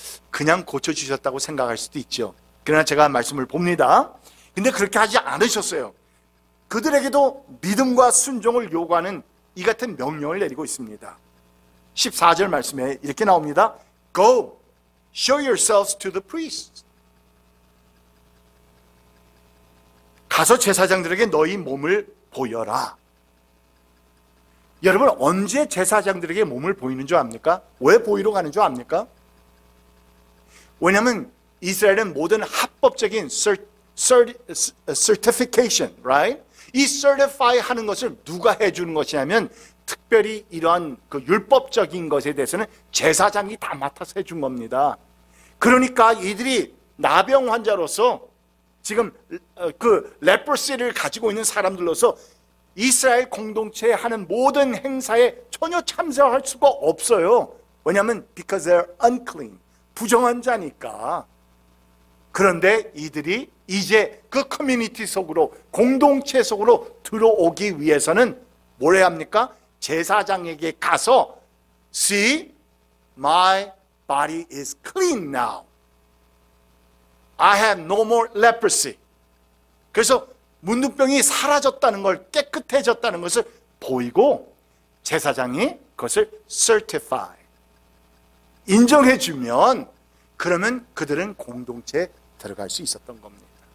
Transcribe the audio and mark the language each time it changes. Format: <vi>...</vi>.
<ko>그냥 고쳐주셨다고 생각할 수도 있죠. 그러나 제가 말씀을 봅니다. 근데 그렇게 하지 않으셨어요. 그들에게도 믿음과 순종을 요구하는 이 같은 명령을 내리고 있습니다. 14절 말씀에 이렇게 나옵니다.</ko> <en>Go, show yourselves to the priests.</en> <ko>가서 제사장들에게 너희 몸을 보여라. 여러분, 언제 제사장들에게 몸을 보이는 줄 압니까? 왜 보이러 가는 줄 압니까? 왜냐하면 이스라엘은 모든 합법적인</ko> <en>certification, right?</en> <ko>이 certify 하는 것을 누가 해주는 것이냐면 특별히 이러한 그 율법적인 것에 대해서는 제사장이 다 맡아서 해준 겁니다. 그러니까 이들이 나병 환자로서 지금 그 레프시를 가지고 있는 사람들로서 이스라엘 공동체에 하는 모든 행사에 전혀 참석할 수가 없어요. 왜냐하면</ko> <en>because they're unclean,</en> <ko>부정한 자니까. 그런데 이들이 이제 그 커뮤니티 속으로, 공동체 속으로 들어오기 위해서는 뭘 해야 합니까? 제사장에게 가서</ko> <en>See, my body is clean now. I have no more leprosy.</en> <ko>그래서 문둥병이 사라졌다는 걸, 깨끗해졌다는 것을 보이고 제사장이 그것을 certify, 인정해주면 그러면 그들은 공동체에 들어갈 수 있었던 겁니다.</ko>